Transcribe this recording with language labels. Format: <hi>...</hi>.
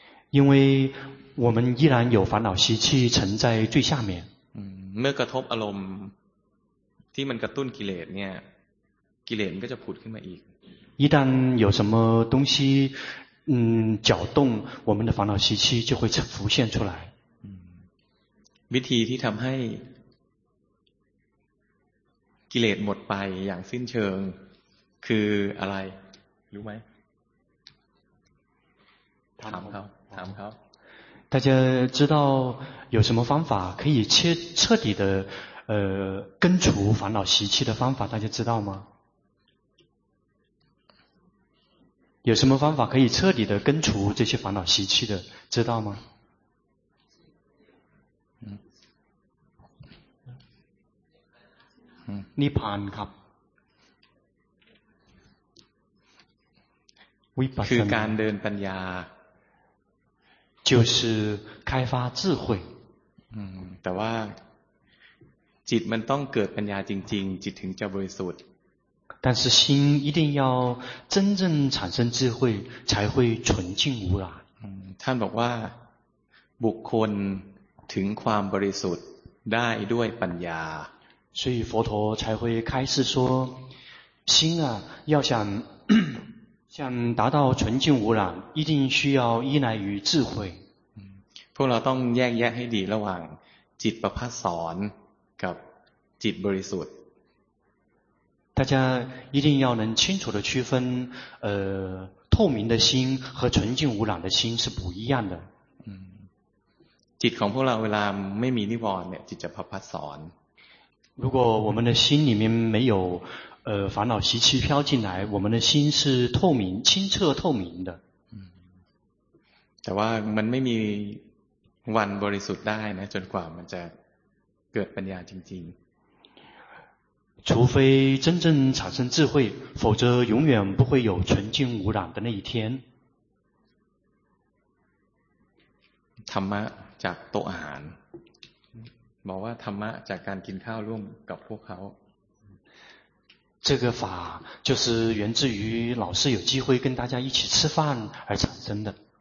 <zh>因为我们依然有烦恼习气沉在最下面。</zh> <th>เมื่อกระทบอารมณ์ที่มันกระตุ้นกิเลสเนี่ยกิเลสก็จะผุดขึ้นมาอีก</th> <zh>一旦有什么东西搅动我们的烦恼习气就会浮现出来</zh> <th>วิธีที่ทำให้กิเลสหมดไปอย่างสิ้นเชิงคืออะไรรู้ไหมถามเขา</th> <zh>大家知道有什么方法可以彻底的根除烦恼习气的方法，大家知道吗？有什么方法可以彻底的根除这些烦恼习气的，知道吗？</zh> <th>涅槃ครับ วิปัสสนา คือการเดินปัญญา</th> <zh>就是开发智慧</zh> <th>แต่ว่าจิตมันต้องเกิดปัญญาจริงๆจิตถึงจะบริสุทธิ์</th> <zh>但是心一定要真正产生智慧才会纯净无染</zh> <th>ท่านบอกว่าบุคคลถึงความบริสุทธิ์ได้ด้วยปัญญา</th> <zh>所以佛陀才会开示说心啊要想想达到纯净无染一定需要依赖于智慧</zh> <th>พวกเราต้องแยกแยะให้ดีระหว่างจิตประภาสสอนกับจิตบริสุทธิ์</th> <zh>大家一定要能清楚地区分透明的心和纯净无染的心是不一样的</zh> <th>จิตของพวกเราเวลาไม่มีนิพพานเนี่ยจิตจะประภาสสอน</th> <zh>如果我们的心里面没有烦恼习气飘进来我们的心是透明清澈透明的</zh> <th>แต่ว่ามันไม่มีวันบริสุทธิ์ได้นะจนกว่ามันจะเกิดปัญญาจริง</th> <zh>ๆ除非真正产生智慧否则永远不会有纯净无染的那一天</zh> <th>ธรรมะจากโต๊ะอาหารบอกว่าธรรมะจากการกินข้าวร่วมกับพวกเขา</th> <zh>这个法就是源自于老师有机会跟大家一起吃饭而产生的</zh>